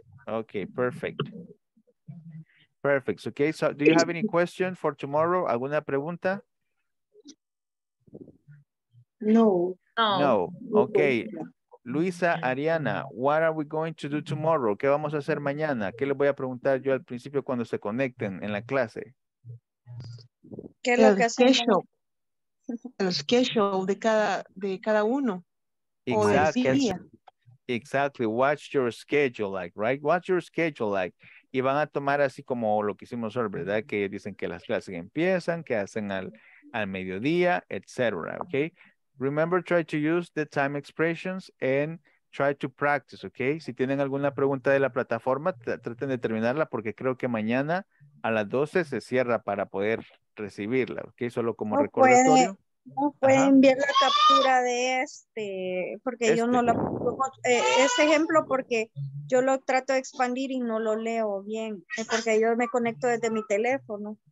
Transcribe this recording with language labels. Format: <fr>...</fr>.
<en>Okay, perfect. Perfect. Okay, so do you have any question for tomorrow?</en> <es>¿Alguna pregunta? No.</es> <en>No. Okay. Luisa Ariana, what are we going to do tomorrow?</en> <es>¿Qué vamos a hacer mañana? ¿Qué les voy a preguntar yo al principio cuando se conecten en la clase? ¿Qué es lo que hacemos? El schedule de cada uno.</es> <en>Exactly. Exactly. What's your schedule like, right? What's your schedule like?</en> <es>Y van a tomar así como lo que hicimos hoy, ¿verdad? Que dicen que las clases empiezan, que hacen al mediodía, etc.</es> <en>Okay. Remember, try to use the time expressions and try to practice, okay?</en> <es>Si tienen alguna pregunta de la plataforma, traten de terminarla porque creo que mañana a las 12 se cierra para poder recibirla, okay? Solo como recordatorio. No pueden ver la captura de este, porque este. Yo no la ese ejemplo porque yo lo trato de expandir y no lo leo bien, es porque yo me conecto desde mi teléfono.</es>